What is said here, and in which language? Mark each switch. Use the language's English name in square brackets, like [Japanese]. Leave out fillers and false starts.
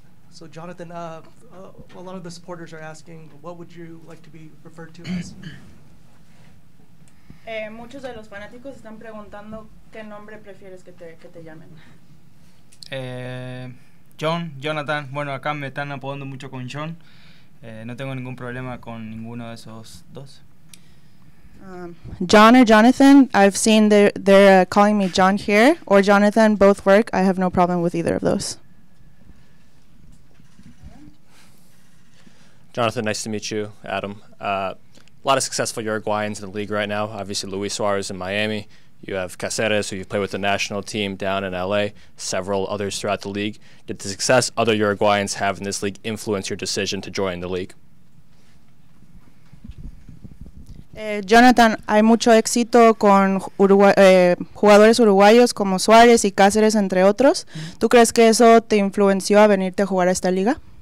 [English] So Jonathan, a lot of the supporters are asking, what would you like to be referred to as? [Spanish] Muchos de los fanáticos están preguntando qué nombre prefieres que te llamen. Jonathan, bueno, acá me están apodando mucho con John. No tengo ningún problema con ninguno de esos dos. [English] John or Jonathan, I've seen they're calling me John here, or Jonathan, both work. I have no problem with either of those. Jonathan, nice to meet you, Adam. A lot of successful Uruguayans in the league right now. Obviously, Luis Suarez in Miami. You have Caceres, who you've played with the national team down in LA, several others throughout the league. Did the success other Uruguayans have in this league influence your decision to join the league? [Spanish] Jonathan, hay mucho éxito con jugadores uruguayos como Suarez y Caceres, entre otros. ¿Tú crees que eso te influenció a venirte a jugar a esta liga?